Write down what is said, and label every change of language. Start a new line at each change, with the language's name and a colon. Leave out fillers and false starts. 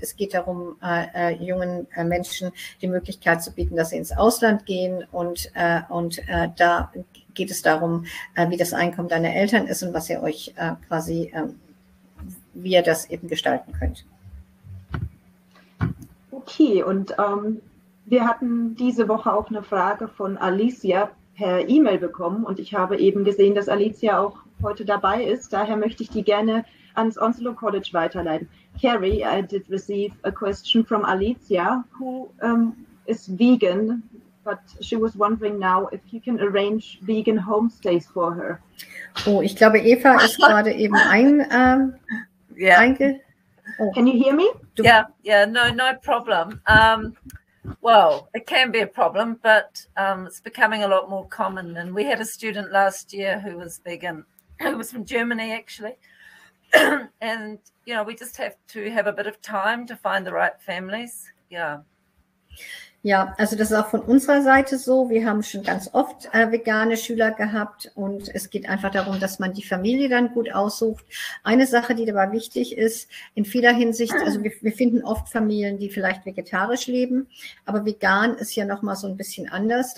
German: Es geht darum, jungen Menschen die Möglichkeit zu bieten, dass sie ins Ausland gehen und da geht es darum, wie das Einkommen deiner Eltern ist und was ihr euch quasi, wie ihr das eben gestalten könnt. Okay, und wir hatten diese Woche auch eine Frage von Alicia per E-Mail bekommen und ich habe eben gesehen, dass Alicia auch heute dabei ist. Daher möchte ich die gerne ans Onslow College weiterleiten.
English: Carrie, I did receive a question from Alicia, who is vegan, but she was wondering now if you can arrange vegan homestays for her.
German: Oh, ich glaube, Eva ist gerade eben
English: Can you hear me? No problem. Well, it can be a problem, but it's becoming a lot more common. And we had a student last year who was vegan, who was from Germany, actually. And, you know, we just have to have a bit of time to find the right families. Yeah.
German: Ja, also das ist auch von unserer Seite so. Wir haben schon ganz oft vegane Schüler gehabt und es geht einfach darum, dass man die Familie dann gut aussucht. Eine Sache, die dabei wichtig ist, in vieler Hinsicht, also wir finden oft Familien, die vielleicht vegetarisch leben, aber vegan ist ja nochmal so ein bisschen anders.